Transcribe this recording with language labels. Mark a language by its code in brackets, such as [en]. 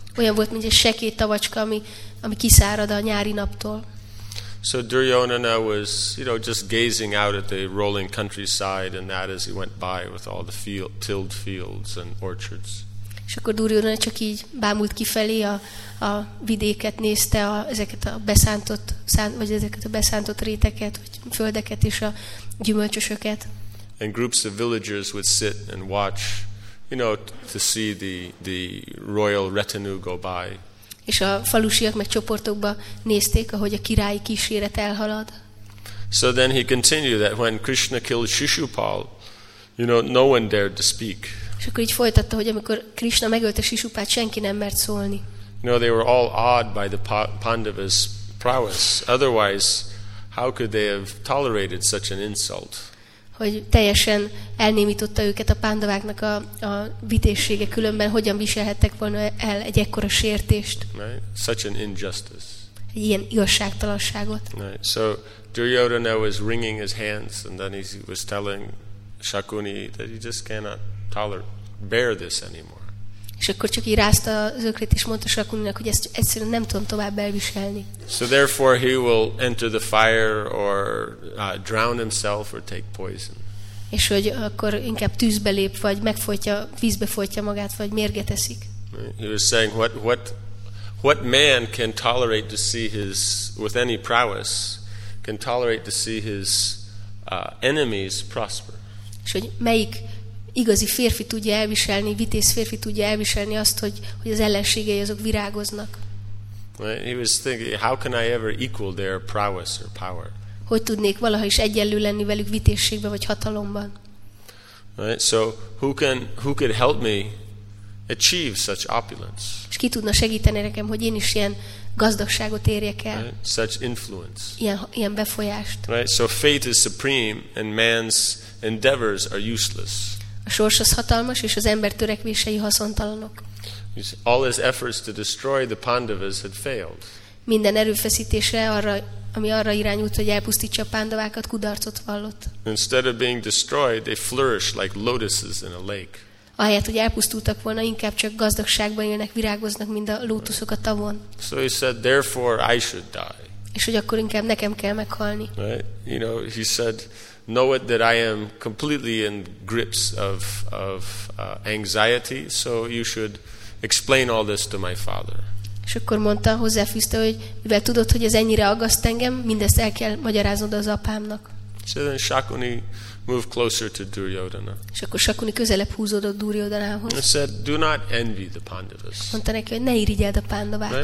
[hu] Olyan volt, mint egy sekély tavacska, ami kiszárad a nyári naptól. [en] So Duryodhana was, you know, just gazing out at the rolling countryside and that as he went by with all the tilled fields and orchards. [hu] És akkor Duryodhana csak így bámult kifelé a vidéket nézte, ezeket a beszántott vagy ezeket a beszántott réteket, vagy földeket és a gyümölcsösöket. [en] And groups of villagers would sit and watch, you know, to see the royal retinue go by. [hu] És a falusiak meg csoportokba nézték, ahogy a királyi kíséret elhalad. [en] So then he continued that when Krishna killed Shishupal, you know, no one dared to speak. [hu] És akkor így folytatta, hogy amikor Krishna megölte Shishupalt, senki nem mert szólni. [en] You know, they were all awed by the Pandavas' prowess. Otherwise, how could they have tolerated such an insult? [hu] Hogy teljesen elnémította őket a pándováknak a vitézsége, különben hogyan viselhettek volna el egy ekkora sértést. [en] Right. Such an injustice. [hu] Egy ilyen igazságtalanságot. [en] Right. So Duryodhana was wringing his hands and then he was telling Shakuni that he just cannot bear this anymore. [hu] És akkor csak így rázta az ökrét és mondta Shakuninak, hogy ezt egyszerűen nem tudom tovább elviselni. [en] So therefore he will enter the fire or drown himself or take poison. [hu] És hogy akkor inkább tűzbe lép, vagy megfojtja, vízbe folytja magát, vagy mérget eszik. [en] He was saying, what man can tolerate to see his, with any prowess, can tolerate to see his enemies prosper. [hu] És hogy melyik igazi férfi tudja elviselni, vitéz férfi tudja elviselni azt, hogy az ellenségei azok virágoznak. [en] He was thinking, how can I ever equal their prowess or power? [hu] Hogy tudnék valaha is egyenlő lenni velük vitézségben vagy hatalomban? [en] Right, so who could help me achieve such opulence? [hu] És ki tudna segíteni nekem, hogy én is ilyen gazdagságot érjek el? [en] Right, such influence. [hu] Ilyen befolyást. [en] Right, so fate is supreme and man's endeavors are useless. [hu] A sors az hatalmas és az ember törekvései haszontalanok. [en] All his efforts to destroy the Pandavas had failed. [hu] Minden erőfeszítése arra, ami arra irányult, hogy elpusztítsa a pándavákat, kudarcot vallott. [en] Instead of being destroyed, they flourished like lotuses in a lake. [hu] Ahelyett, hogy elpusztultak volna, inkább csak gazdagságban élnek, virágoznak, mint a lótuszok a tavon. [en] So he said, therefore I should die. [hu] És hogy akkor inkább nekem kell meghalni. [en] Right? You know, he said, know it that I am completely in grips of anxiety, so you should explain all this to my father. [hu] És akkor mondta, hozzáfűzte, hogy mivel tudod, hogy ez ennyire aggaszt engem, mindezt el kell magyaráznod az apámnak. [en] So then Shakuni moved closer to Duryodhana. [hu] És akkor Shakuni közelebb húzódott Duryodhanához. [en] And said, do not envy the Pandavas. [hu] Mondta neki, hogy ne irigyeld a pándavákat.